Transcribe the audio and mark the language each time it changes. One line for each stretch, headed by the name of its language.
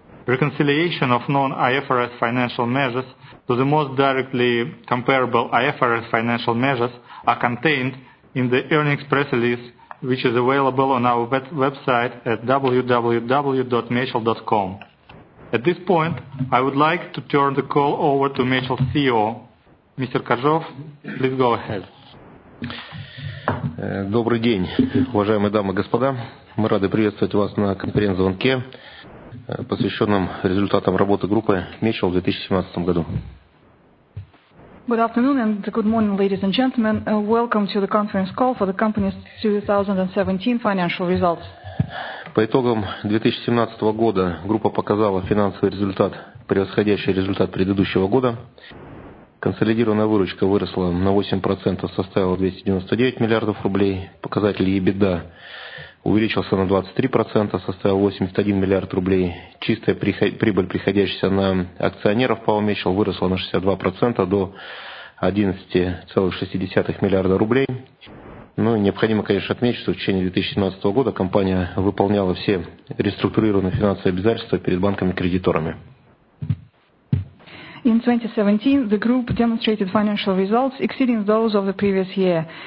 English: Reconciliation of non-IFRS financial measures to the most directly comparable IFRS financial measures are contained in the earnings press release, which is available on our website at www.metro.com. At this point, I would like to turn the call over to Metro's CEO. Mr. Koržov, please go ahead.
Russian: Добрый день, уважаемые дамы и господа. Мы рады приветствовать вас на конференц-звонке, посвященном результатам работы группы Metro в 2017 году.
English: Good afternoon and good morning, ladies and gentlemen. Welcome to the conference call for the company's 2017 financial results.
Russian: По итогам 2017 года группа показала финансовый результат, превосходящий результат предыдущего года. Консолидированная выручка выросла на 8%, составила 299 миллиардов рублей. Показатель EBITDA увеличился на 23%, составил 81 миллиард рублей. Чистая прибыль, приходящаяся на акционеров Power Mitchell, выросла на 62% до 11,6 миллиарда рублей. Ну и необходимо, конечно, отметить, что в течение 2017 года компания выполняла все реструктурированные финансовые обязательства перед банками-кредиторами.
English: In 2017, the group demonstrated financial results exceeding those of the previous year.